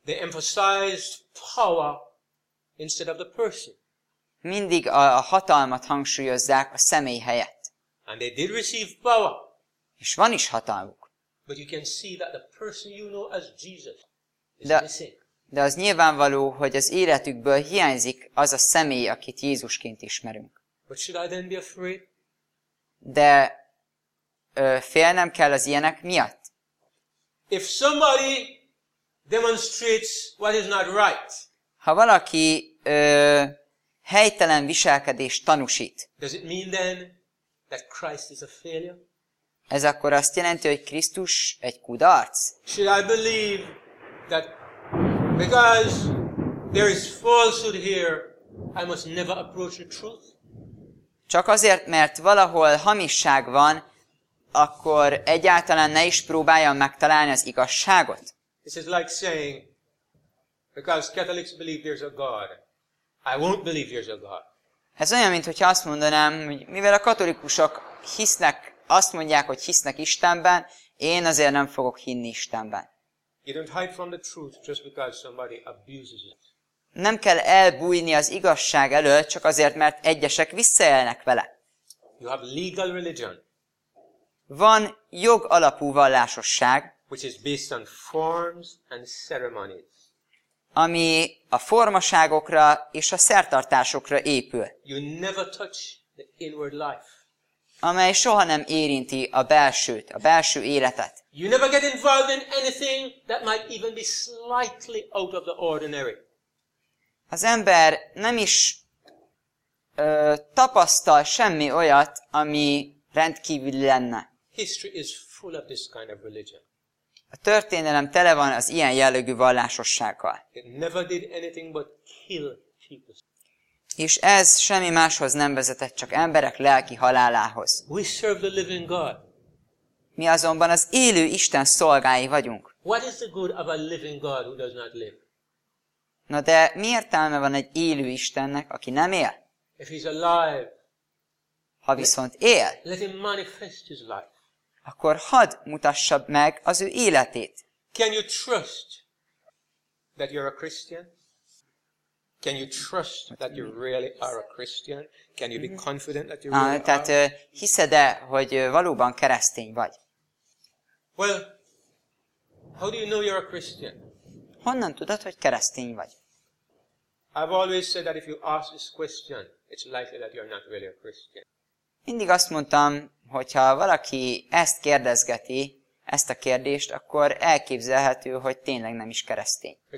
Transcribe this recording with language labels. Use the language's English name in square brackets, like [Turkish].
[English] They emphasized power instead of the person. [Hungarian] Mindig a hatalmat hangsúlyozzák a személy helyett. [English] And they did receive power. [Hungarian] És van is hatalmuk. [English] But you can see that the person you know as Jesus is missing. [Hungarian] De az nyilvánvaló, hogy az életükből hiányzik az a személy, akit Jézusként ismerünk. [English] But should I then be afraid? [Hungarian] De félnem kell az ilyenek miatt. [English] If somebody demonstrates what is not right. [Hungarian] Ha valaki helytelen viselkedést tanúsít. [English] Does it mean then that Christ is a failure? [Hungarian] Ez akkor azt jelenti, hogy Krisztus egy kudarc? [English] Should I believe that because there is falsehood here, I must never approach the truth? [Hungarian] Csak azért, mert valahol hamisság van, akkor egyáltalán ne is próbáljam megtalálni az igazságot. [English] This is like saying, because Catholics believe there's a God, I won't believe there's a God. [Hungarian] Ez olyan, mint hogyha azt mondanám, hogy mivel a katolikusok hisznek, azt mondják, hogy hisznek Istenben, én azért nem fogok hinni Istenben. [English] You don't hide from the truth just because somebody abuses it. [Hungarian] Nem kell elbújni az igazság elől, csak azért, mert egyesek visszaélnek vele. [English] You have legal religion. [Hungarian] Van jogalapú vallásosság, [English] which is based on forms and ceremonies. [Hungarian] Ami a formaságokra és a szertartásokra épül. [English] You never touch the inward life. [Hungarian] Amely soha nem érinti a belsőt, a belső életet. [English] You never get involved in anything that might even be slightly out of the ordinary. [Hungarian] Az ember nem is tapasztal semmi olyat, ami rendkívüli lenne. [English] History is full of this kind of religion. [Hungarian] A történelem tele van az ilyen jellegű vallásossággal. [English] It never did anything but kill people. [Hungarian] És ez semmi máshoz nem vezetett, csak emberek lelki halálához. [English] We serve the living God. [Hungarian] Mi azonban az élő Isten szolgái vagyunk. [English] What is the good of a living God who does not live? [Hungarian] Na de mi értelme van egy élő Istennek, aki nem él? [English] If he's alive, [Hungarian] ha viszont él, [English] let him manifest his life. [Hungarian] Akkor hadd mutassa meg az ő életét. [English] Can you trust that you're a Christian? Can you trust that you really are a Christian? Can you be confident that you really are? [Hungarian] Tehát hiszed-e, hogy valóban keresztény vagy? [English] Well, how do you know you're a Christian? [Hungarian] Honnan tudod, hogy keresztény vagy? [English] I've always said that if you ask this question, it's likely that you're not really a Christian. [Hungarian] Mindig azt mondtam, hogyha valaki ezt kérdezgeti, ezt a kérdést, akkor elképzelhető, hogy tényleg nem is keresztény.